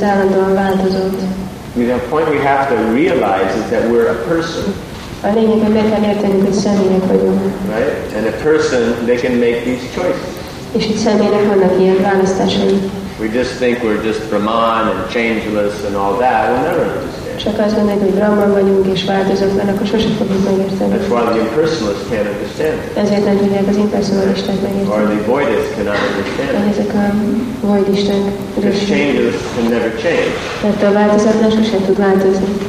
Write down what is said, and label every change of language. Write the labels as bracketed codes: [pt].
[en] The point we have to realize is that we're a person. [hu] A lényeg, hogy meg kell értenünk, hogy személynek vagyunk. [en] Right? And a person, they can make these choices. [hu] És egy személynek vannak ilyen választásai. [en] We just think we're just Brahman and changeless and all that. We'll never understand. [hu] Csak azt mondják, hogy Brahman vagyunk és változatlan, akkor sose fogjuk megérteni. [en] That's why the impersonalists can't understand. [hu] Ezért nem tudják az impersonalisták megérteni. [en] Or the voidists cannot understand. [hu] Vagy ezek a voidisták. [en] Because changeless can never change. [hu] Mert a változatlan sose tud változni.